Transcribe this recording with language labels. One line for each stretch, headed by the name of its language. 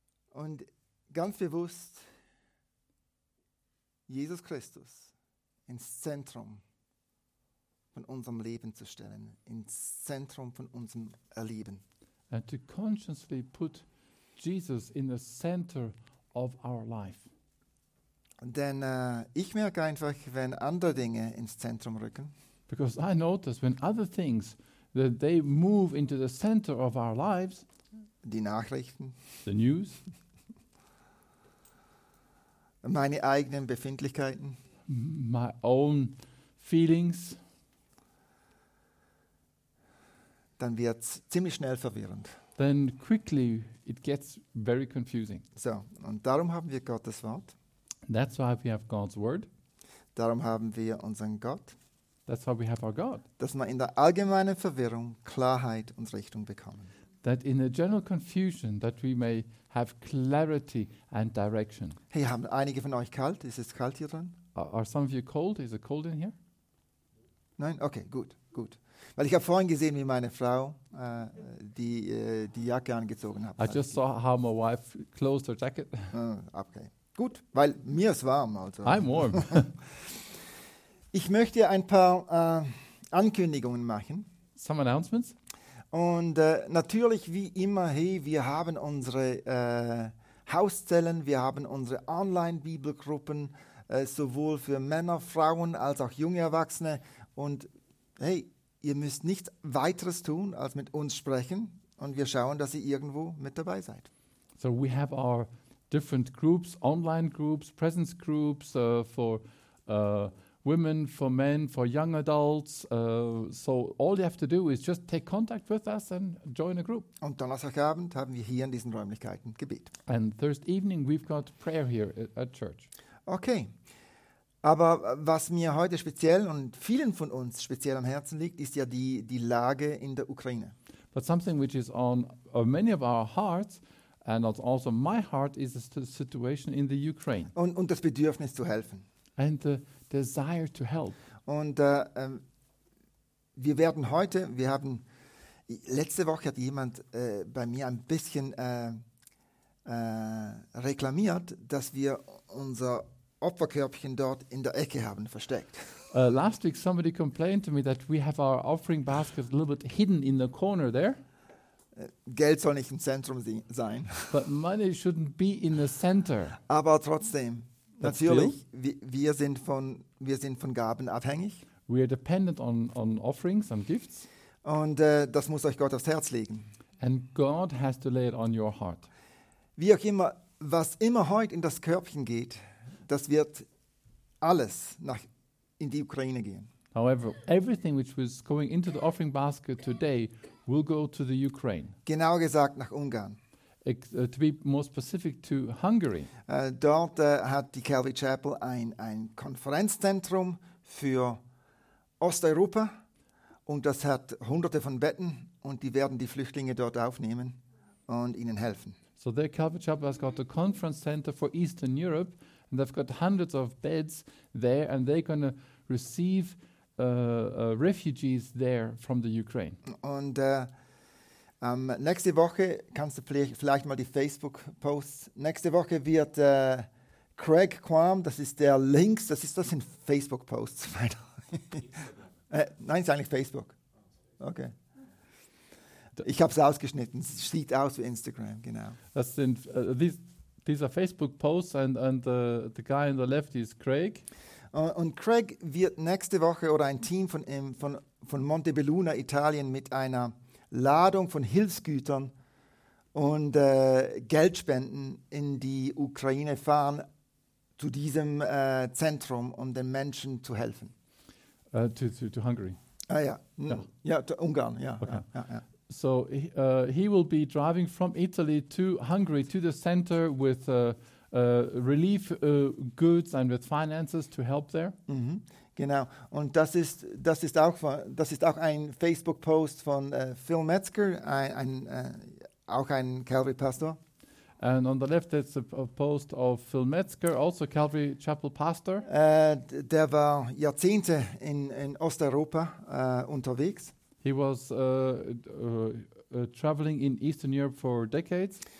German: Und ganz bewusst Jesus Christus ins Zentrum von unserem Leben zu stellen, ins Zentrum von unserem Erleben.
English: And to consciously put Jesus in the center of our life.
German: Denn ich merke einfach, wenn andere Dinge ins Zentrum rücken.
English: Because I notice when other things that they move into the center of our lives.
German: Die Nachrichten.
English: The news.
German: Meine eigenen Befindlichkeiten.
English: My own feelings.
German: Dann wird's ziemlich schnell verwirrend.
English: Then quickly it gets very confusing.
German: So, und darum haben wir Gottes Wort.
English: That's why we have God's Word.
German: Darum haben wir unseren Gott.
English: That's why we have our God.
German: Dass man in der allgemeinen Verwirrung Klarheit und Richtung bekommen.
English: That in the general confusion that we may have clarity and direction.
German: Hey, haben einige von euch kalt? Ist es kalt hier drin?
English: Are some of you cold? Is it cold in here?
German: Nein? Okay, gut, gut. Weil ich habe vorhin gesehen, wie meine Frau die Jacke angezogen hat.
English: I just saw how my wife closed her jacket.
German: Okay, gut, weil mir ist warm. Also.
English: I'm warm.
German: Ich möchte ein paar Ankündigungen machen.
English: Some announcements.
German: Und natürlich, wie immer, hey, wir haben unsere Hauszellen, wir haben unsere Online-Bibelgruppen, sowohl für Männer, Frauen als auch junge Erwachsene. Und hey, ihr müsst nichts weiteres tun, als mit uns sprechen. Und wir schauen, dass ihr irgendwo mit dabei seid.
English: So we have our different groups, online groups, presence groups for women, for men, for young adults. So all you have to do is just take contact with us and join a group.
German: Und Donnerstagabend haben wir hier in diesen Räumlichkeiten Gebet.
English: And Thursday evening we've got prayer here at church. Okay.
German: Aber was mir heute speziell und vielen von uns speziell am Herzen liegt, ist ja die Lage in der Ukraine.
English: But something which is on many of our hearts and also my heart is the situation in the Ukraine.
German: Und das Bedürfnis zu helfen.
English: And the desire to help.
German: Und wir werden heute, wir haben letzte Woche hat jemand bei mir ein bisschen reklamiert, dass wir unser Opferkörbchen dort in der Ecke haben versteckt.
English: Last week somebody complained to me that we have our offering basket a little bit hidden in the corner there.
German: Geld soll nicht im Zentrum sein.
English: But money shouldn't be in the center.
German: Aber trotzdem, but natürlich, wir sind von Gaben abhängig.
English: We are dependent on offerings and gifts.
German: Und das muss euch Gott aufs Herz legen.
English: And God has to lay it on your heart.
German: Wie auch immer, was immer heute in das Körbchen geht, das wird alles nach in die Ukraine gehen.
English: However, everything which was going into the offering basket today will go to the Ukraine.
German: Genauer gesagt nach Ungarn.
English: To be more specific, to Hungary.
German: Dort hat die Calvary Chapel ein Konferenzzentrum für Osteuropa und das hat hunderte von Betten und die werden die Flüchtlinge dort aufnehmen und ihnen helfen.
English: So the Calvary Chapel has got a conference center for Eastern Europe. And they've got hundreds of beds there, and they're going to receive refugees there from the Ukraine.
German: Und nächste Woche kannst du vielleicht mal die Facebook posts. Nächste Woche wird Craig Quam, das ist der Links, das sind Facebook posts. nein, es ist eigentlich Facebook. Okay. Ich habe es ausgeschnitten. Es sieht aus wie Instagram, genau. Das sind
English: These are Facebook posts and the guy on the left is Craig.
German: Und Craig wird nächste Woche oder ein Team von Montebelluna, Italien, mit einer Ladung von Hilfsgütern und Geldspenden in die Ukraine fahren zu diesem Zentrum, um den Menschen zu helfen.
English: To Hungary.
German: Ah ja.
English: Yeah.
German: Ja,
English: to
German: Ungarn, ja. Okay. Ja.
English: So he will be driving from Italy to Hungary to the center with relief goods and with finances to help there.
German: Mm-hmm. Genau. Und das ist auch ein Facebook Post von Phil Metzger, auch ein Calvary Pastor.
English: And on the left it's a post of Phil Metzger, also Calvary Chapel Pastor.
German: Der war Jahrzehnte in Osteuropa unterwegs.
English: He was traveling in Eastern Europe for decades.